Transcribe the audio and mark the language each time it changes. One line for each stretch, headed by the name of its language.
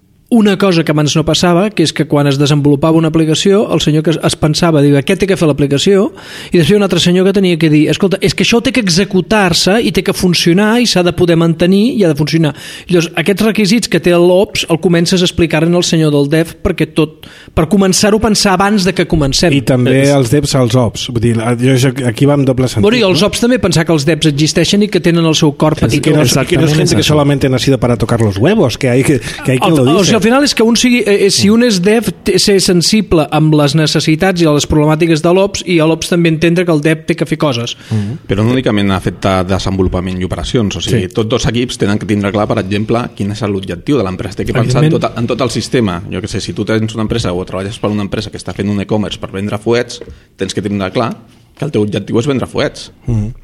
Catalan: una cosa que abans no passava, que és que quan es desenvolupava una aplicació, el senyor que es pensava, diu, aquest té que fer l'aplicació, i després un altre senyor que tenia que dir, escolta, és que això té que executar-se i té que funcionar i s'ha de poder mantenir i ha de funcionar. Llavors, aquests requisits que té l'Ops el comences a explicar en el senyor del Dev perquè tot, per començar-ho a pensar abans de que comencem. I també els Devs als Ops. Vull dir, jo aquí va amb doble sentit. Bueno, i els Ops també pensar que els Devs existeixen i que tenen el seu cor petit. Que no és gent que solament
Spanish: ha sido para tocar los huevos, que hay que, quien lo dice.
Catalan: Al final és que un sigui, si un és dev, ser sensible amb les necessitats i a les problemàtiques de l'Ops i a l'Ops també entendre que el dev té que fer coses. Mm-hmm. Però no únicament afecta desenvolupament i operacions. O sigui, sí. Tots dos equips tenen que tindre clar, per exemple, quin és l'objectiu de l'empresa. Té que pensar en tot el sistema. Jo que sé, si tu tens una empresa o treballes per una empresa que està fent un e-commerce per vendre fuets, tens que tindre clar que el teu objectiu és vendre fuets. Mm-hmm.